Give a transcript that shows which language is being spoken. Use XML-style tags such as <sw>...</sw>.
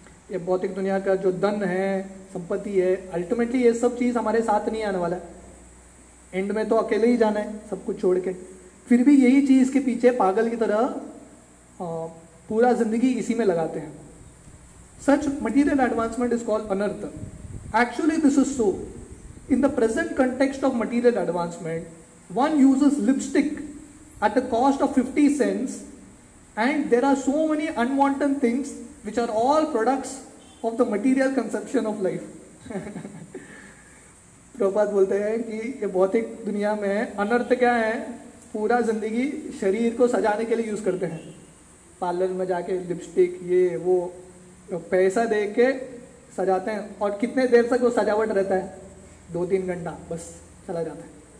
<hi>ये भौतिक दुनिया का जो धन है, संपत्ति है, अल्टीमेटली ये सब चीज हमारे साथ नहीं आने वाला, एंड में तो अकेले ही जाना है सब कुछ छोड़ के। फिर भी यही चीज के पीछे पागल की तरह पूरा जिंदगी इसी में लगाते हैं।</hi> <en>Such material advancement is called anartha. Actually, this is so. In the present context of material advancement, one uses lipstick at the cost of 50 cents, and there are so many unwanted things which are all products of the material conception of life.</en> <hi>Prabhupada बोलते हैं कि ये भौतिक दुनिया में अनर्थ क्या है, पूरा जिंदगी शरीर को सजाने के लिए यूज करते हैं, पार्लर में जाके लिपस्टिक ये वो पैसा दे के सजाते हैं, और कितने देर तक वो सजावट रहता है, 2-3 घंटा बस चला जाता है.</hi>